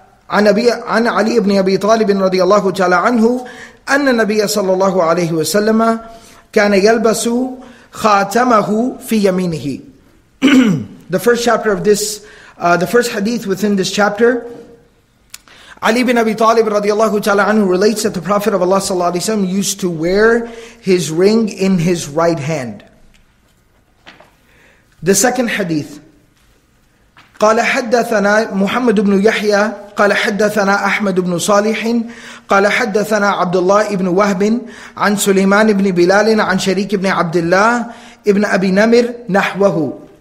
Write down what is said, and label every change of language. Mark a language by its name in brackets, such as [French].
[Arabic] عن علي بن أبي طالب رضي الله تعالى عنه أن النبي صلى الله عليه وسلم كان يلبس خاتمه في يمينه. [English] The first chapter of this, the first hadith within this chapter, علي بن أبي طالب [Arabic] رضي الله تعالى عنه [English] relates that the Prophet of Allah صلى الله عليه وسلم used to wear his ring in his right hand. The second hadith. [Arabic] قال حدثنا محمد بن يحيى قال حدثنا أحمد بن صالح قال حدثنا عبد الله بن وهب عن سليمان بن بلال عن شريك بن عبد الله ابن أبي نمر نحوه.